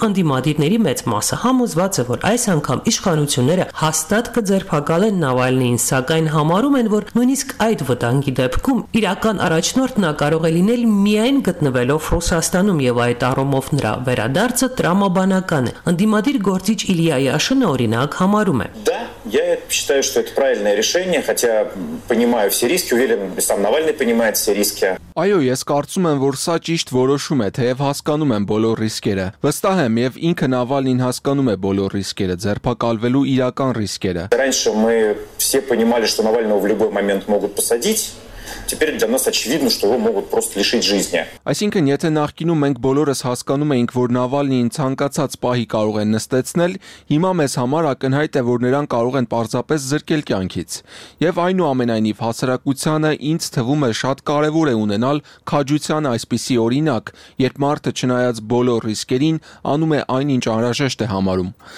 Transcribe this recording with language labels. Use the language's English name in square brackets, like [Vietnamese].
[Armenian] ընդդիմադիրների մեծ մասը համոզված է, որ այս անգամ իշխանությունները հաստատ կձերբակալեն Նավալնիին, սակայն համարում են, որ նույնիսկ այդ վտանգի դեպքում իրական առաջնորդն է կարող լինել միայն գտնվելով Ռուսաստանում և այդ առումով նրա վերադարձը տրամաբանական է։ Ընդդիմադիր գործիչ Իլիա Յաշինը օրինակ համարում է. [Russian] Я считаю, что это правильное решение, хотя понимаю все риски, уверен, и сам Навальный понимает все риски. [Armenian] Այո, ես կարծում եմ, որ սա ճիշտ որոշում է, թեև հասկանում եմ բոլոր ռիսկերը։ Վստահ եմ, եւ ինքը Նավալնին հասկանում է բոլոր ռիսկերը, ձերբակալվելու իրական ռիսկերը։ [Russian] Раньше мы все понимали, что Навального в любой момент могут посадить. Теперь для нас очевидно, что его могут просто лишить жизни. [Armenian] Այսինքն, եթե նախկինում մենք բոլորս հասկանում էինք, որ Նավալնին ցանկացած պահի կարող են նստեցնել, հիմա մեզ համար ակնհայտ է, որ նրան կարող են պարզապես զրկել կյանքից։ Եվ այնուամենայնիվ հասարակությանը ինձ թվում է շատ կարևոր է ունենալ քաջության այսպիսի օրինակ, երբ մարդը չնայած բոլոր ռիսկերին անում է այն, ինչ անհրաժեշտ է համարում։